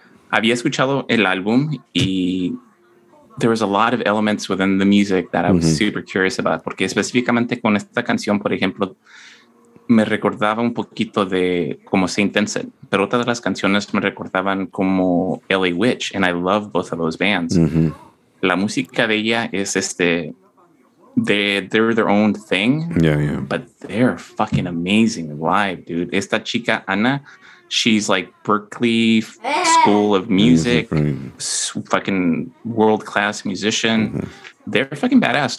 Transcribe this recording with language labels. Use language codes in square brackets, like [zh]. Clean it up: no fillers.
[es] Había escuchado el álbum y [en] there was a lot of elements within the music that I was super curious about. [es] Porque específicamente con esta canción, por ejemplo, me recordaba un poquito de como Saint Vincent, pero otras de las canciones me recordaban como L.A. [en] Witch, and I love both of those bands. [es] La música de ella es [en] they're their own thing, yeah. But they're fucking amazing live, dude. [es] Esta chica, [en] Anna, she's like Berklee School of Music, fucking world-class musician. They're fucking badass.